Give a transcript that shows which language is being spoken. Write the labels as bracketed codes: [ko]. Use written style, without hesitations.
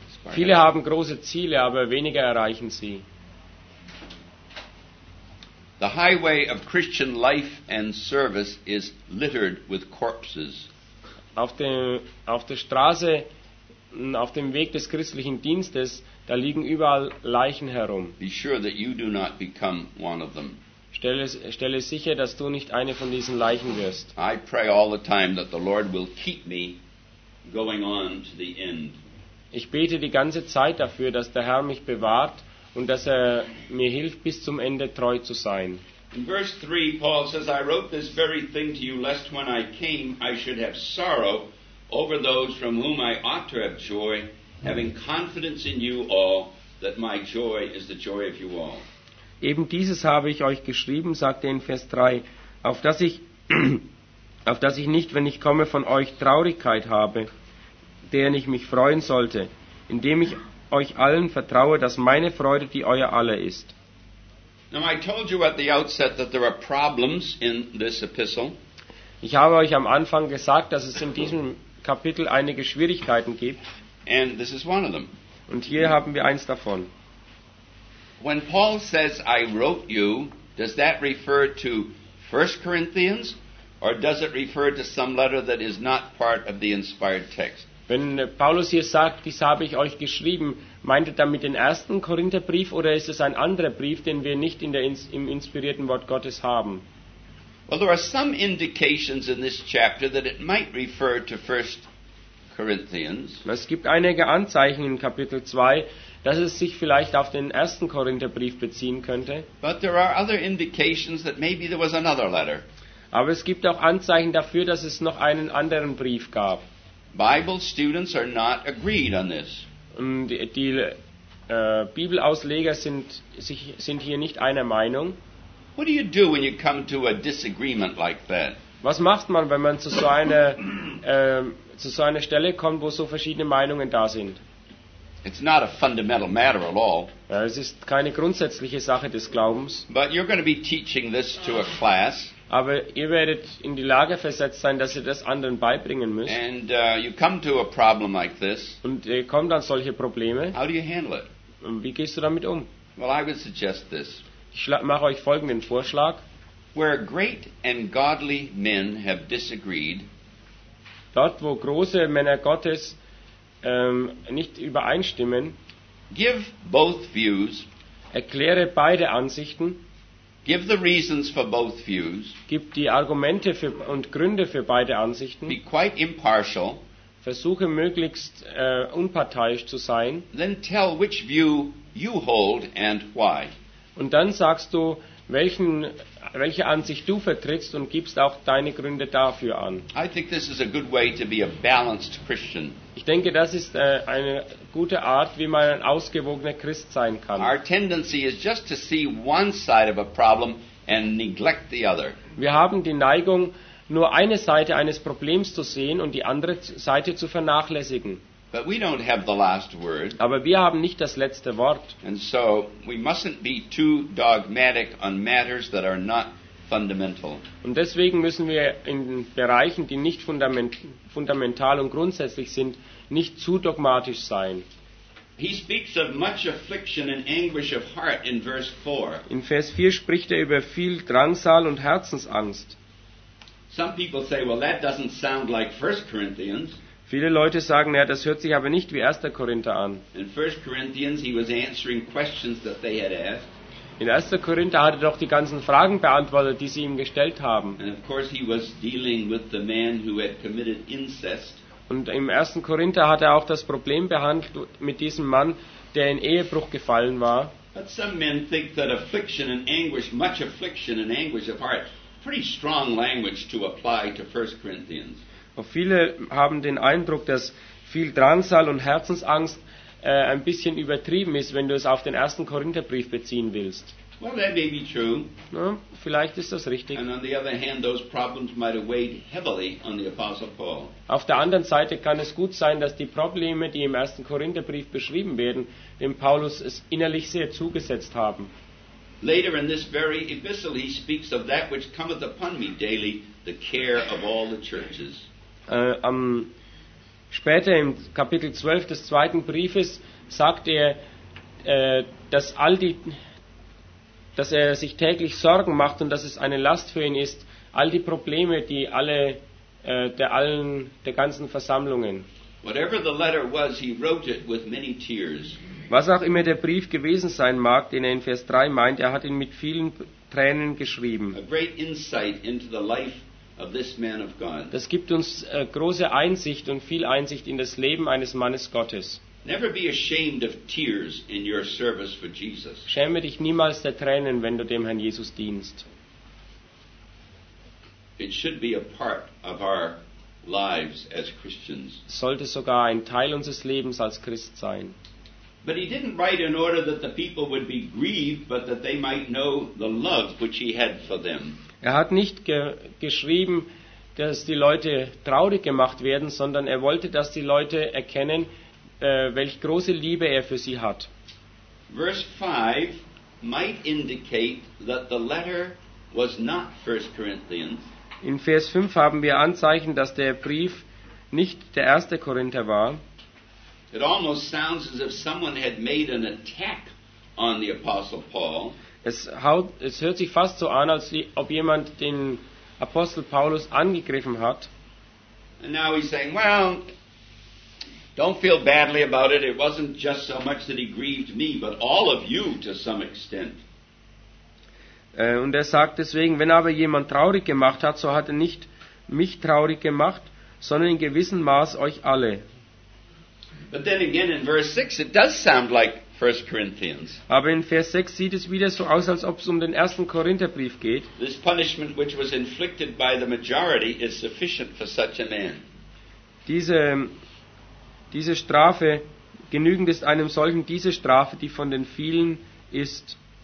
[de] Viele haben große Ziele, aber wenige erreichen sie. [en] The highway of Christian life and service is littered with corpses. [de] Auf der Straße, auf dem Weg des christlichen Dienstes, da liegen überall Leichen herum. [en] Be sure that you do not become one of them. [de] Stelle sicher, dass du nicht eine von diesen Leichen wirst. [en] I pray all the time that the Lord will keep me going on to the end. [de] Ich bete die ganze Zeit dafür, dass der Herr mich bewahrt. Und dass er mir hilft, bis zum Ende treu zu sein. [en] In Vers 3, Paul says, I wrote this very thing to you, lest when I came, I should have sorrow over those from whom I ought to have joy, having confidence in you all, that my joy is the joy of you all. [de] Eben dieses habe ich euch geschrieben, sagt er in Vers 3, auf dass ich nicht, wenn ich komme, von euch Traurigkeit habe, deren ich mich freuen sollte, indem ich euch allen vertraue, dass meine Freude die euer aller ist. [en] Now I told you at the outset that there are problems in this epistle. [de] Ich habe euch am Anfang gesagt, dass es in diesem Kapitel einige Schwierigkeiten gibt. [en] And this is one of them. [de] Und hier haben wir eins davon. [en] When Paul says I wrote you, does that refer to 1 Corinthians or does it refer to some letter that is not part of the inspired text? [de] Wenn Paulus hier sagt, dies habe ich euch geschrieben, meint er damit den ersten Korintherbrief oder ist es ein anderer Brief, den wir nicht im inspirierten Wort Gottes haben? [en] Well, there are some indications in this chapter that it might refer to 1 Corinthians. [de] Es gibt einige Anzeichen in Kapitel 2, dass es sich vielleicht auf den ersten Korintherbrief beziehen könnte. [en] But there are other indications that maybe there was another letter. [de] Aber es gibt auch Anzeichen dafür, dass es noch einen anderen Brief gab. [en] Bible students are not agreed on this. [de] Die Bibelausleger sind hier nicht einer Meinung. [en] What do you do when you come to a disagreement like that? [de] Was macht man, wenn man zu so einer Stelle kommt, wo so verschiedene Meinungen da sind? [en] It's not a fundamental matter at all. [de] Ja, es ist keine grundsätzliche Sache des Glaubens. [en] But you're going to be teaching this to a class. [de] Aber ihr werdet in die Lage versetzt sein, dass ihr das anderen beibringen müsst. [en] And you come to a problem like this. [de] Und ihr kommt an solche Probleme. [en] How do you handle it? [de] Und wie gehst du damit um? [en] Well, I would suggest this. [de] Ich mache euch folgenden Vorschlag. [en] Where great and godly men have disagreed. [de] Dort, wo große Männer Gottes nicht übereinstimmen. [en] Give both views. [de] Erkläre beide Ansichten. [en] Give the reasons for both views. [de] Gib die Argumente für und Gründe für beide Ansichten. [en] Be quite impartial. [de] Versuche möglichst unparteiisch zu sein. [en] Then tell which view you hold and why. [de] Und dann sagst du, welche Ansicht du vertrittst und gibst auch deine Gründe dafür an. [en] I think this is a good way to be a balanced Christian. [de] Ich denke, das ist eine gute Art, wie man ein ausgewogener Christ sein kann. [en] Our tendency is just to see one side of a problem and neglect the other. [de] Wir haben die Neigung, nur eine Seite eines Problems zu sehen und die andere Seite zu vernachlässigen. [en] But we don't have the last word. [de] Aber wir haben nicht das letzte Wort. [en] And so we mustn't be too dogmatic on matters that are not fundamental. [de] Und deswegen müssen wir in Bereichen, die nicht fundamental und grundsätzlich sind, nicht zu dogmatisch sein. [en] He speaks of much affliction and anguish of heart in verse 4. [de] In Vers 4 spricht er über viel Drangsal und Herzensangst. [en] Some people say, well, that doesn't sound like 1 Corinthians. [de] Viele Leute sagen, ja, das hört sich aber nicht wie 1. Korinther an. [en] In 1. Corinthians he was answering questions that they had asked. [de] In 1. Korinther hat er doch die ganzen Fragen beantwortet, die sie ihm gestellt haben. [en] And of course he was dealing with the man who had committed incest. [de] Und im 1. Korinther hat er auch das Problem behandelt mit diesem Mann, der in Ehebruch gefallen war. [en] But some men think that affliction and anguish, much affliction and anguish of heart, pretty strong language to apply to 1. Corinthians. [de] Und viele haben den Eindruck, dass viel Drangsal und Herzensangst ein bisschen übertrieben ist, wenn du es auf den 1. Korintherbrief beziehen willst. [en] Well, that may be true. [de] Ja, vielleicht ist das richtig. [en] And on the other hand, those problems might have weighed heavily on the Apostle Paul. [de] Auf der anderen Seite kann es gut sein, dass die Probleme, die im 1. Korintherbrief beschrieben werden, dem Paulus es innerlich sehr zugesetzt haben. [en] Later in this very epistle he speaks of that which cometh upon me daily, the care of all the churches. [de] Später im Kapitel 12 des zweiten Briefes sagt er, dass er sich täglich Sorgen macht und dass es eine Last für ihn ist, all die Probleme, die alle der ganzen Versammlungen. [en] Whatever the letter was, he wrote it with many tears. [de] Was auch immer der Brief gewesen sein mag, den er in Vers 3 meint, er hat ihn mit vielen Tränen geschrieben. [en] A great insight into the life of this man of God. [de] Das gibt uns große Einsicht und viel Einsicht in das Leben eines Mannes Gottes. [en] Never be ashamed of tears in your service for Jesus. [de] Schäme dich niemals der Tränen, wenn du dem Herrn Jesus dienst. [en] It should be a part of our lives as Christians. [de] Sollte sogar ein Teil unseres Lebens als Christ sein. [en] But he didn't write in order that the people would be grieved, but that they might know the love which he had for them. [de] Er hat nicht geschrieben, dass die Leute traurig gemacht werden, sondern er wollte, dass die Leute erkennen, welch große Liebe er für sie hat. [en] Verse 5 might indicate that the letter was not 1 Corinthians. [de] In Vers 5 haben wir Anzeichen, dass der Brief nicht der 1. Korinther war. [en] It almost sounds as if someone had made an attack on the Apostle Paul. [de] Es hört sich fast so an, als ob jemand den Apostel Paulus angegriffen hat. [en] And now he's saying, well, don't feel badly about it. It wasn't just so much that he grieved me, but all of you to some extent. [de] Und er sagt deswegen, wenn aber jemand traurig gemacht hat, so hat er nicht mich traurig gemacht, sondern in gewissem Maß euch alle. [en] But then again in verse 6 it does sound like 1 Corinthians. [de] Aber in Vers 6 sieht es wieder so aus, als ob es um den ersten Korintherbrief geht. [en] This punishment which was inflicted by the majority is sufficient for such a man. [de] Diese Strafe, genügend ist einem solchen diese Strafe, die von den vielen ist.